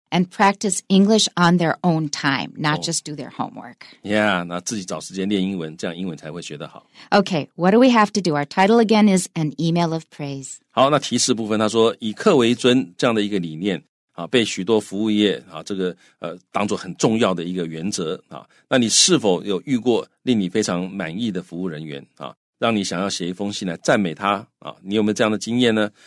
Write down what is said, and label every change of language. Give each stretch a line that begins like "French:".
English: And practice English on their own time, not just do their homework.
Chinese: Yeah, 那自己找时间练英文, 这样英文才会学得好。
English: Okay, what do we have to do? Our title again is An Email of Praise.
Chinese: 好, 那提示部分, 他说, 以客为尊, 这样的一个理念, 啊, 被许多服务业, 啊, 这个, 当作很重要的一个原则, 啊, 那你是否有遇过令你非常满意的服务人员, 啊, 让你想要写一封信来赞美他, 啊, 你有没有这样的经验呢?